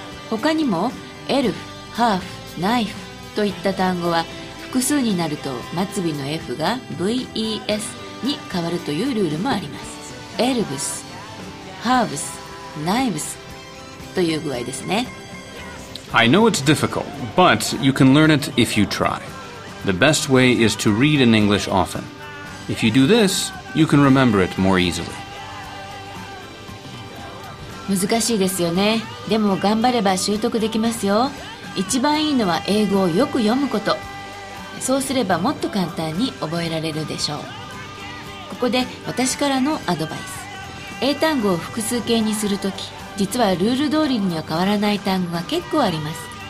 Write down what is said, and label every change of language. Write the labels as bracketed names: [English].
[Japanese] 他にも elf, half, knife といった単語は複数になると末尾の F が VES に変わるというルールもあります。エルブス、ハーブス、ナイブスという具合ですね。 [English] I know it's difficult, but you can learn it if you try. The best way is to read in English often. If you do this, you can remember it more easily. [Japanese] 難しいですよね。でも頑張れば習得できますよ。一番いいのは英語をよく読むこと。そうすればもっと簡単に覚えられるでしょう。ここで私からのアドバイス。英単語を複数形にするとき、実はルール通りには変わらない単語が結構あります。